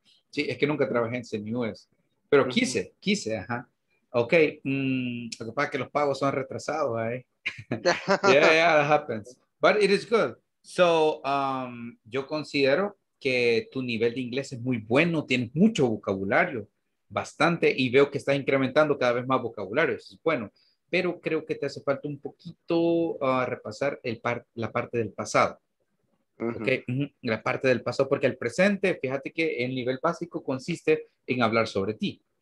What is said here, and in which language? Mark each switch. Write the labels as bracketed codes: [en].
[es] Sí, es que nunca trabajé en CNUS, pero quise, ajá. Ok, lo que pasa es que los pagos son retrasados ahí. [en] Yeah, that happens. But it is good. So, [es] yo considero que tu nivel de inglés es muy bueno, tienes mucho vocabulario, bastante, y veo que estás incrementando cada vez más vocabulario, eso es bueno, pero creo que te hace falta un poquito repasar la parte del pasado. Okay. La parte del pasado, porque el presente, fíjate que el nivel básico consiste en hablar sobre ti.